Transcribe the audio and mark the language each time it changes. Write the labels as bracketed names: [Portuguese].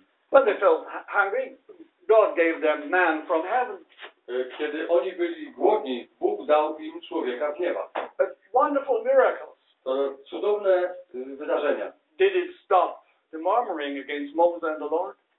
[English] when they felt hungry, God gave them man from heaven. [Polish] Kiedy oni byli głodni, Bóg dał im człowieka z nieba. [English] But wonderful miracles. [Polish] Cudowne wydarzenia. [English] Did it stop the murmuring against Moses and the Lord?